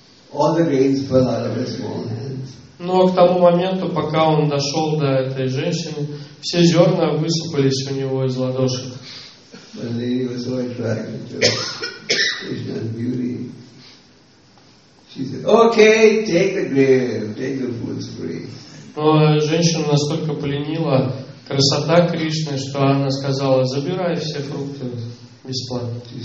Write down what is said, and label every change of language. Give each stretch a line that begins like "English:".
English: All the grains fell out of his small hands.
Russian: Но к тому моменту, пока он дошел до этой женщины, все зерна высыпались у него из ладошек.
English: But the lady was so attracted to Krishna's beauty. She said, "Okay, take the grain, take the food free."
Russian: Но женщина настолько пленила красота Кришны, что она сказала: "Забирай все фрукты бесплатно."